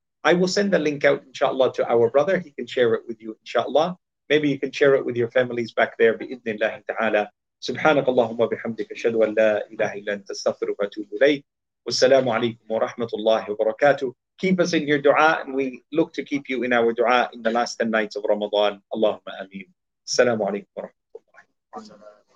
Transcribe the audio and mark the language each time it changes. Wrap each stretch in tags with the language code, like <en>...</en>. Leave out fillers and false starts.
<en>I will send the link out inshallah to our brother. He can share it with you inshallah. Maybe you can share it with your families back there, bi'idhnillahi ta'ala.</en> <ar>سبحانك اللهم وبحمدك أشهد أن لا إله إلا أنت أستغفرك وأتوب إليك والسلام عليكم ورحمة الله وبركاته.</ar> <en>Keep us in your dua and we look to keep you in our dua in the last 10 nights of Ramadan.</en> <ar>اللهم آمين. السلام عليكم ورحمة الله وبركاته.</ar>